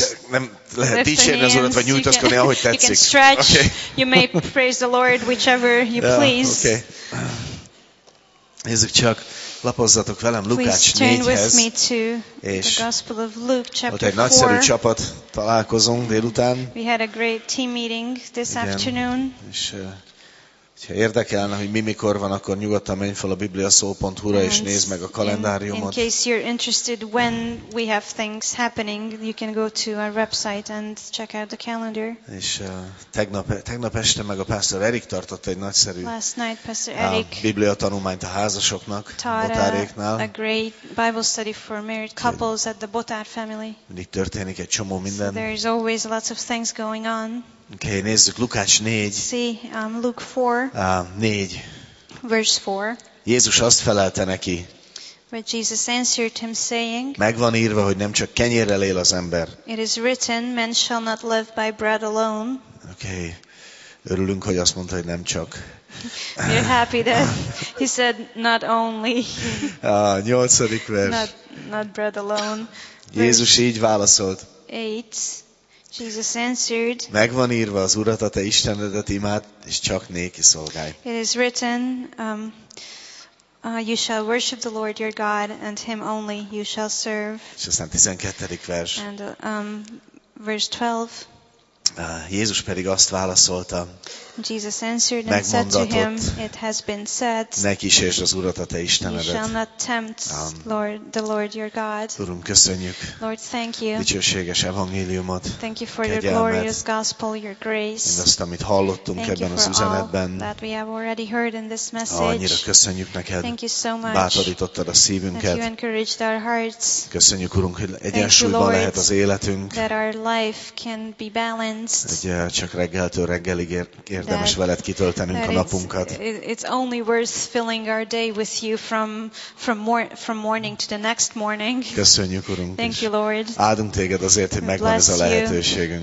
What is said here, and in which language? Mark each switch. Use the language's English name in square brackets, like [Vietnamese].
[Hungarian] Nem lehet dicsérni az Urat, vagy nyújtaszkodni, ahogy tetszik. [English] You can stretch, okay. You may praise the Lord, whichever you please. Okay. [Hungarian] Nézzük csak, lapozzatok velem Lukács 4-hez, és ott egy nagyszerű csapat találkozunk délután. [English] We had a great team meeting this afternoon. [Hungarian] És ha érdekelne, hogy mi mikor van, akkor nyugodtan menj fel a bibliaszó.hu-ra és nézd meg a kalendáriumot. [English] In case you're interested when we have things happening, you can go to our website and check out the calendar. [Hungarian] És tegnap este meg a Pastor Eric tartott egy nagyszerű biblia tanulmányt a házasoknak, botáréknál. [English] A great Bible study for married couples at the Botár family. [Hungarian] Mindig történik egy csomó minden. [English] So there is always lots of things going on. [Hungarian] Okay, nézzük Lukács 4. [English] See, Luke 4. 4. Verse 4. [Hungarian] Jézus azt felelte neki. [English] But Jesus answered him saying. [Hungarian] Megvan írva, hogy nem csak kenyérrel él az ember. [English] It is written, man shall not live by bread alone. Okay. [Hungarian] Örülünk, hogy azt mondta, hogy nem csak. [English] We're happy that he said not only. [Hungarian] 8. vers. [English] Not bread alone. [Hungarian] Jézus így válaszolt. [English] 8. Jesus answered. [Hungarian] Megvan írva az Urat, a te Istenedet imád, és csak néki szolgálj. [English] It is written, you shall worship the Lord your God and him only you shall serve. [Hungarian] És aztán 12. vers. [English] And verse 12. [Hungarian] Jézus pedig azt válaszolta. [English] Jesus answered and said to him, it has been said. [Hungarian] Ne kísérsd az Urat, a te Istenedet. [English] You shall not tempt the Lord your God. [Hungarian] Urunk, köszönjük. [English] Lord, thank you. [Hungarian] Dicsőséges evangéliumot. [English] Thank you for your glorious gospel, your grace. [Hungarian] Mindazt, amit hallottunk ebben az üzenetben. [English] Thank you for all that we have already heard in this message. [Hungarian] Annyira köszönjük neked. [English] Thank you so much. [Hungarian] Bátorítottad a szívünket. [English] That you encouraged our hearts. [Hungarian] Köszönjük, Urunk, hogy egyensúlyban lehet az életünk. [English] That our life can be balanced. [Hungarian] Ugye, csak reggeltől reggelig érdemes veled kitöltenünk a napunkat. [English] It's only worth filling our day with you from morning to the next morning. [Hungarian] Köszönjük, Urunk. [English] Thank you, Lord. [Hungarian] Áldunk téged azért, hogy megvan ez a lehetőségünk.